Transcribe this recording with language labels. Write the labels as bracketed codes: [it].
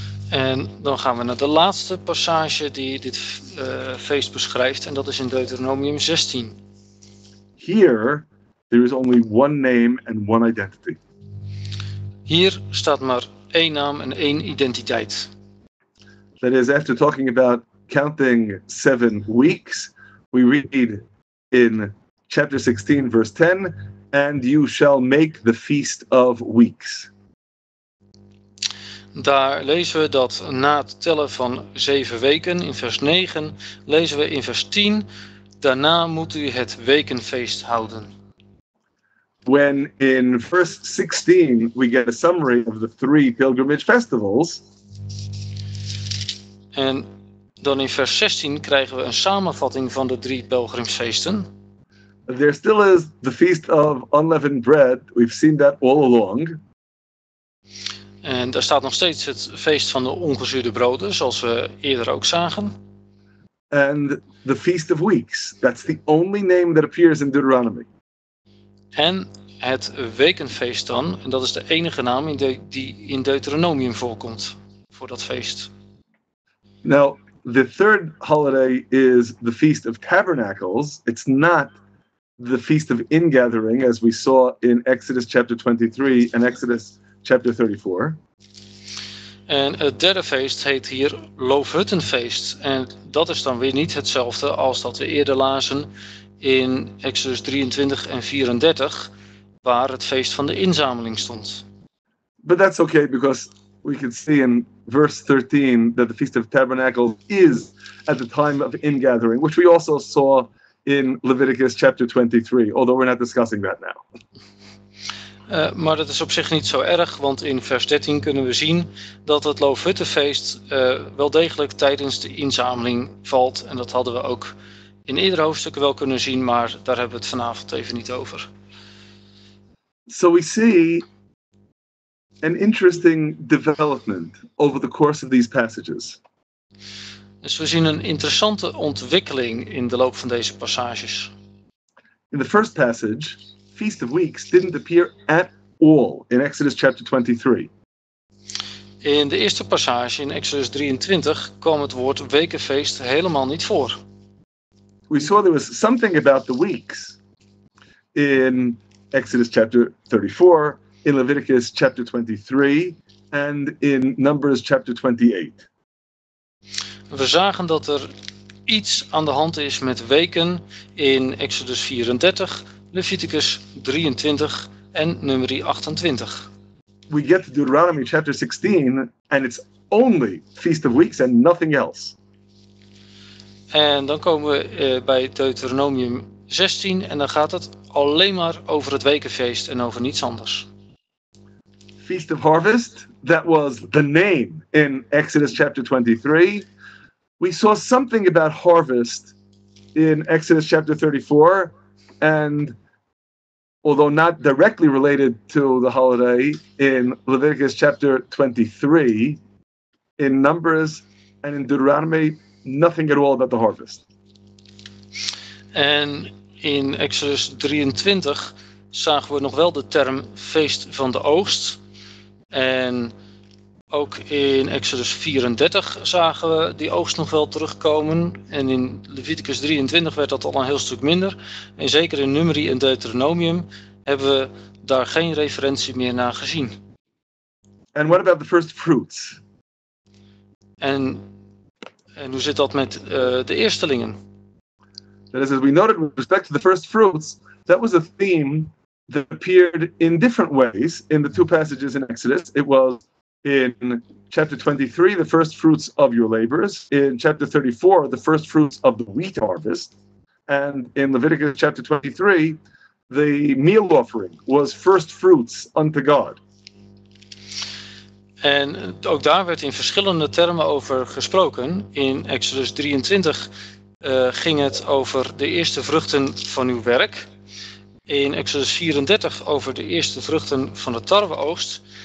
[nl] En dan gaan we naar de laatste passage die dit feest beschrijft, en dat is in Deuteronomium 16. [en] Here there is only one name and one identity. [nl] Hier staat maar één naam en één identiteit. [en] That is, after talking about counting 7 weeks, we read in chapter 16 verse 10, and you shall make the Feast of Weeks. [nl] Daar lezen we dat na het tellen van 7 weken, in vers 9, lezen we in vers 10, daarna moet u het wekenfeest houden. [en] When in verse 16 we get a summary of the 3 pilgrimage festivals. [nl] En dan in vers 16 krijgen we een samenvatting van de 3 pelgrimsfeesten. [en] There still is the Feast of Unleavened Bread. We've seen that all along. [nl] En daar staat nog steeds het feest van de ongezuurde broden, zoals we eerder ook zagen. [en] And the Feast of Weeks. That's the only name that appears in Deuteronomy. [nl] En het wekenfeest dan, en dat is de enige naam die in Deuteronomium voorkomt voor dat feest. [en] Now, the third holiday is the Feast of Tabernacles. It's not the Feast of Ingathering, as we saw in Exodus chapter 23 and Exodus chapter 34. [nl] En het derde feest heet hier Loofhuttenfeest. En dat is dan weer niet hetzelfde als dat we eerder lazen in Exodus 23 en 34, waar het feest van de inzameling stond. [en] But that's okay, because we can see in verse 13 that the Feast of Tabernacles is at the time of ingathering, which we also saw in Leviticus chapter 23, although we're not discussing that now. [nl] Maar dat is op zich niet zo erg, want in vers 13 kunnen we zien dat het Loofhuttenfeest wel degelijk tijdens de inzameling valt. En dat hadden we ook in eerdere hoofdstukken wel kunnen zien, maar daar hebben we het vanavond even niet over. [en] So we see an interesting development over the course of these passages. [nl] Dus we zien een interessante ontwikkeling in de loop van deze passages. [en] In the first passage, Feast of Weeks didn't appear at all in Exodus chapter 23. [nl] In de eerste passage in Exodus 23 kwam het woord wekenfeest helemaal niet voor. [en] We saw there was something about the weeks in Exodus chapter 34, in Leviticus chapter 23 and in Numbers chapter 28. [nl] We zagen dat er iets aan de hand is met weken in Exodus 34, Leviticus 23 en Numeri 28. [en] We get to Deuteronomy chapter 16 and it's only Feast of Weeks and nothing else. [nl] En dan komen we bij Deuteronomium 16 en dan gaat het alleen maar over het wekenfeest en over niets anders. [en] Feast of Harvest, that was the name in Exodus chapter 23. We saw something about harvest in Exodus chapter 34 and although not directly related to the holiday, in Leviticus chapter 23, in Numbers and in Deuteronomy, nothing at all about the harvest. [nl] En in Exodus 23 zagen we nog wel de term feest van de oogst. En ook in Exodus 34 zagen we die oogst nog wel terugkomen. En in Leviticus 23 werd dat al een heel stuk minder. En zeker in Numeri en Deuteronomium hebben we daar geen referentie meer naar gezien. [en] And what about the first fruits? [nl] En hoe zit dat met de eerstelingen? [en] That is, as we noted with respect to the first fruits, that was a theme that appeared in different ways in the two passages in Exodus. It was in chapter 23, the first fruits of your labors. In chapter 34, the first fruits of the wheat harvest. And in Leviticus chapter 23, the meal offering was first fruits unto God. [nl] En ook daar werd in verschillende termen over gesproken. In Exodus 23 ging het over de eerste vruchten van uw werk. In Exodus 34 over de eerste vruchten van de tarweoogst.